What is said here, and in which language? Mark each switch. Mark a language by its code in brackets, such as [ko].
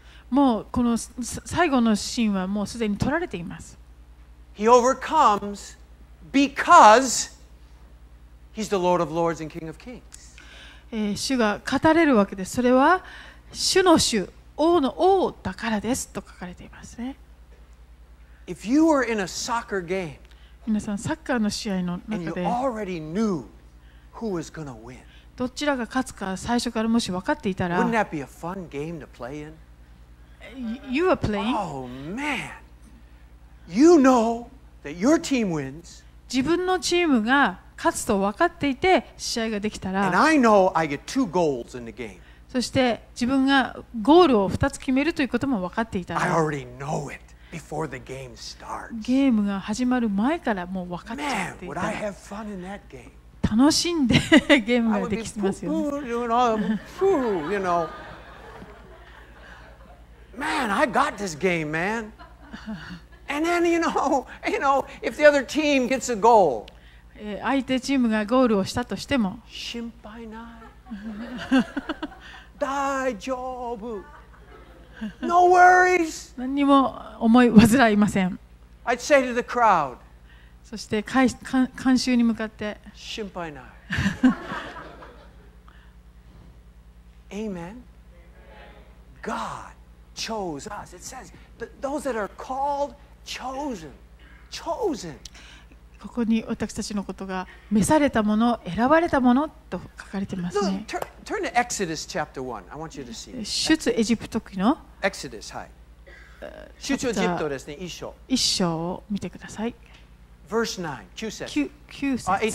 [ja] もうこの最後のシーンはもうすでに撮られています。 [en] He overcomes because he's the Lord of Lords and King of Kings. [ja] 主が勝たれるわけです。それは主の主、王の王だからですと書かれていますね。 [en] If you were in a soccer game, [ja] 皆さんサッカーの試合の中でどちらが勝つか最初からもし分かっていたら、 [en] Wouldn't that be a fun game to play in? You are playing. Oh man, you know that your team wins. [ja] 自分のチームが勝つと分かっていて試合ができたら、 [en] And I know I get two goals in the game. [ja] そして自分がゴールを2つ決めるということも分かっていたら、 [en] I already know itBefore the game starts. [ja] ゲームが始まる前からもう分かっちゃっていた。 [en] Man, would I have fun in that game? [ja] 楽しんでゲームができてますよね。 [en] I would be poo-poo, you know. Man, I got this game, man. And then, you know, if the other team gets a goal. [ja] 相手チームがゴールをしたとしても。心配ない。大丈夫。 [en] No worries. [ja] 何にも思い煩いません。 [en] I'd say to the crowd, [ja] そして観衆に向かって、心配ない。 [en] Amen. God chose us. It says that those that are called, chosen. [ja] ここに私たちのことが召されたもの、選ばれたものと書かれてますね。 [en] Turn to Exodus chapter 1. I want you to see. [ja] 出エジプト記の Exodus, はい。出エジプトですね、一章。一章を見てください。 [en] Verse 9,